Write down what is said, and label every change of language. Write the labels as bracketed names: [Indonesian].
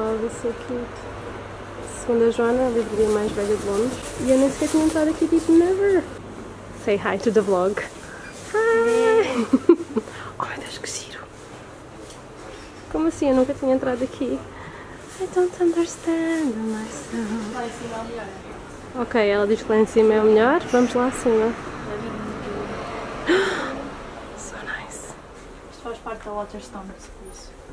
[English] So cute. [Portuguese] Segundo a Joana, a livraria mais velha de Londres. E eu nem sequer tinha entrado aqui, tipo, [English] never. Say hi to the vlog. Hi! [Portuguese] Oh meu Deus, que giro! Como assim? Eu nunca tinha entrado aqui. [English] I don't understand myself. [Portuguese] Ok, ela diz que lá em cima é o melhor. Vamos lá acima. [English] So nice. [Portuguese] Isto faz parte da Waterstones, por isso.